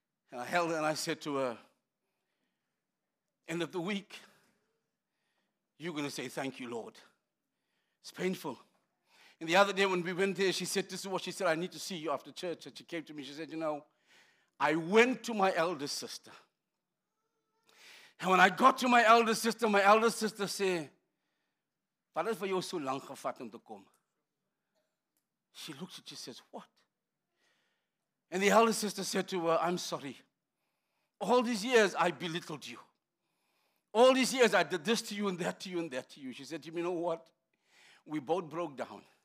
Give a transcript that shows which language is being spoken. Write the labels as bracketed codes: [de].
[en] And I held her and I said to her, end of the week, you're going to say, thank you, Lord. It's painful. And the other day when we went there, she said, this is what she said, I need to see you after church. And she came to me, she said, you know, I went to my elder sister. And when I got to my elder sister said, [af] Wat het vir jou so lank gevat om te kom? [en] She looks at you and says, what? And the elder sister said to her, I'm sorry. All these years I belittled you. All these years I did this to you and that to you and that to you. She said to me, you know what? We both broke down.